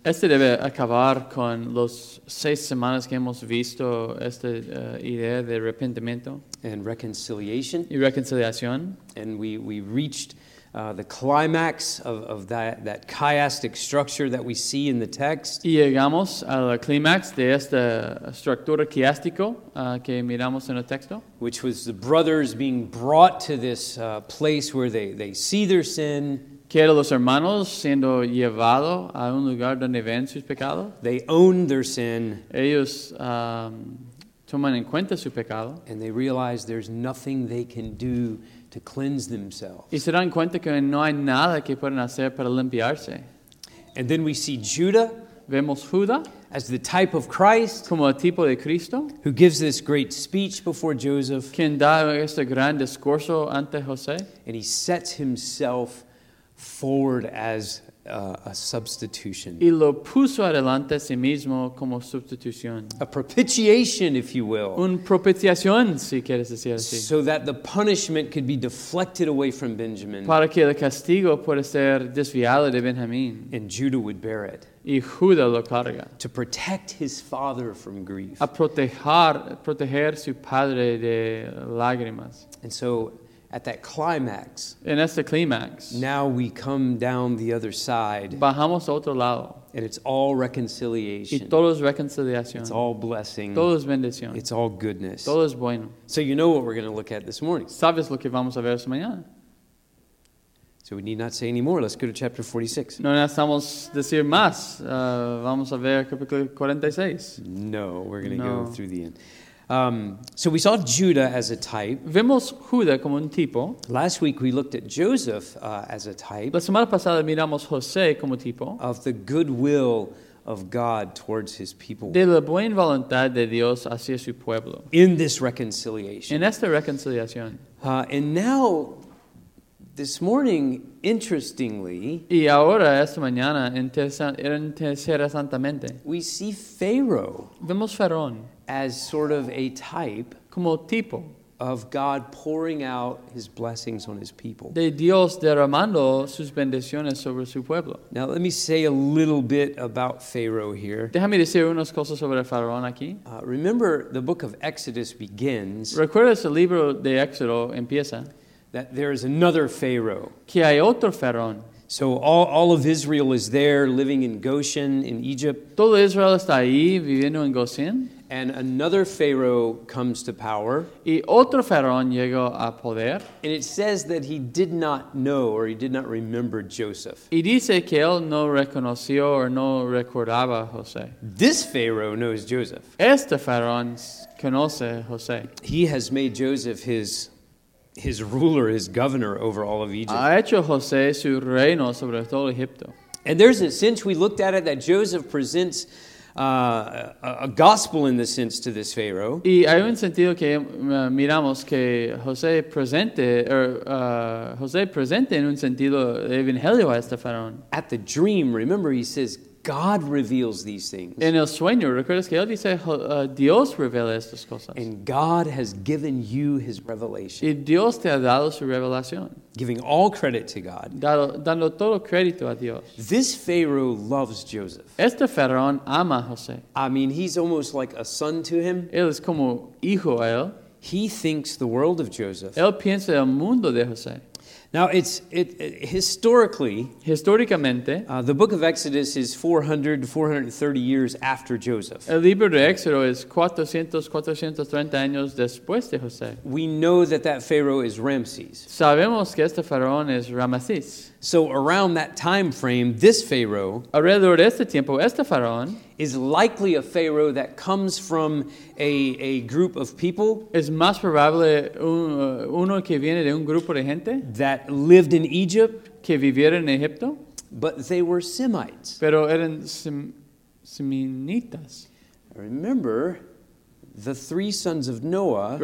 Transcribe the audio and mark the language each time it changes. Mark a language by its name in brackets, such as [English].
[Spanish] Este debe acabar con los seis semanas que hemos visto esta idea de arrepentimiento. [English] And reconciliation. [Spanish] Y reconciliación. [English] And we reached the climax of that chiastic structure that we see in the text. [Spanish] Y llegamos al clímax de esta estructura chiástico que miramos en el texto. [English] Which was the brothers being brought to this place where they see their sin. [Spanish] Que eran los hermanos siendo llevados a un lugar donde ven sus pecados. [English] They own their sin. [Spanish] Ellos toman en cuenta su pecado. [English] And they realize there's nothing they can do to cleanse themselves. [Spanish] Y se dan cuenta que no hay nada que puedan hacer para limpiarse. [English] And then we see Judah. [Spanish] Vemos Judah. [English] As the type of Christ. [Spanish] Como el tipo de Cristo. [English] Who gives this great speech before Joseph. [Spanish] Quien da este gran discurso ante José. [English] And he sets himself forward as a substitution. [Spanish] Y lo puso adelante a sí mismo como sustitución. [English] A propitiation, if you will. [Spanish] Un propiciación, si quieres decir así. [English] So that the punishment could be deflected away from Benjamin. [Spanish] Para que el castigo pueda ser desviado de Benjamín. [English] And Judah would bear it. [Spanish] Y Judah lo carga. [English] To protect his father from grief. [Spanish] A proteger su padre de lágrimas. [English] And so, at that climax. And that's the climax. Now we come down the other side. [Spanish] Bajamos a otro lado. [English] And it's all reconciliation. [Spanish] Y todo es reconciliación. [English] It's all blessing. [Spanish] Todo es bendición. [English] It's all goodness. [Spanish] Todo es bueno. [English] So you know what we're going to look at this morning. [Spanish] Sabes lo que vamos a ver esta mañana. [English] So we need not say any more. Let's go to chapter 46. [Spanish] No necesitamos decir más. Vamos a ver capítulo 46. [English] No, we're going to go through the end. So we saw Judah as a type. [Spanish] Vemos Judah como un tipo. [English] Last week we looked at Joseph as a type. [Spanish] La semana pasada miramos José como tipo. [English] Of the goodwill of God towards his people. [Spanish] De la buena voluntad de Dios hacia su pueblo. [English] In this reconciliation. [Spanish] En esta reconciliación. [English] And now, this morning, interestingly. [Spanish] Y ahora, esta mañana, interesantemente. [English] We see Pharaoh. [Spanish] Vemos Faraón. [English] As sort of a type, [Spanish] como tipo, [English] of God pouring out his blessings on his people. [Spanish] De Dios derramando sus bendiciones sobre su pueblo. [English] Now let me say a little bit about Pharaoh here. [Spanish] Déjame decir unas cosas sobre el faraón aquí. [English] Remember, the book of Exodus begins. [Spanish] ¿Recuerdas el libro de Éxodo empieza? [English] That there is another Pharaoh. [Spanish] Que hay otro faraón. [English] So all of Israel is there living in Goshen in Egypt. [Spanish] Todo Israel está ahí viviendo en Goshen. [English] And another Pharaoh comes to power. [Spanish] Y otro faraón llegó a poder. [English] And it says that he did not know or he did not remember Joseph. [Spanish] Y dice que él no reconoció o no recordaba a José. [English] This Pharaoh knows Joseph. [Spanish] Este faraón conoce a José. [English] He has made Joseph his ruler, his governor over all of Egypt. [Spanish] Ha hecho José su reino sobre todo Egipto. [English] And there's a sense we looked at it that Joseph presents a gospel in the sense to this Pharaoh. [Spanish] Y hay un sentido que miramos que José presente José presente en un sentido evangelio a este faraón. [English] At the dream, remember, he says God reveals these things. [Spanish] En el sueño, recuerdas que él dice Dios revela estas cosas. [English] And God has given you His revelation. [Spanish] Y Dios te ha dado su revelación. [English] Giving all credit to God. [Spanish] Dando todo crédito a Dios. [English] This Pharaoh loves Joseph. [Spanish] Este faraón ama a José. [English] I mean, he's almost like a son to him. [Spanish] Él es como hijo a él. [English] He thinks the world of Joseph. [Spanish] Él piensa el mundo de José. [English] Now historically, the book of Exodus is 430 years after Joseph. [Spanish] El libro de Éxodo es 430 años después de José. [English] We know that Pharaoh is Ramses. [Spanish] Sabemos que este faraón es Ramesés. [English] So around that time frame, this Pharaoh, [Spanish] alrededor de este tiempo, este faraón, [English] is likely a Pharaoh that comes from a group of people. [Spanish] Es más probable uno que viene de un grupo de gente [English] that lived in Egypt, [Spanish] que vivieron en Egipto, [English] but they were Semites. [Spanish] Pero eran Seminitas. [English] Remember the three sons of Noah.